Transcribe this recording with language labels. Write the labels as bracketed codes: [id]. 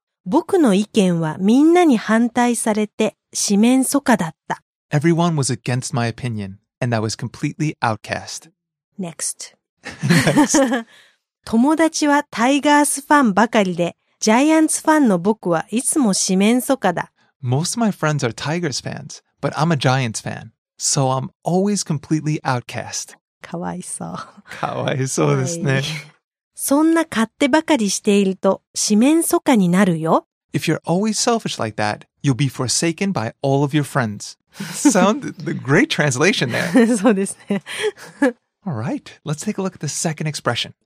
[ja] 僕の意見はみんなに反対されて四面楚歌だった。 [en] Everyone was against my opinion, and I was completely outcast. Next. Next. [ja] 友達はタイガースファンばかりで、ジャイアンツファンの僕はいつも四面楚歌だ。 [en] Most of my friends are Tigers fans, but I'm a Giants fan, so I'm always completely outcast. [ja] かわいそう。かわいそうですね。そんな勝手ばかりしていると四面楚歌になるよ。 [en] If you're always selfish like that, you'll be forsaken by all of your friends. Sound the great translation there. [ja] そうですね。 [en] All right, let's take a look at the second expression.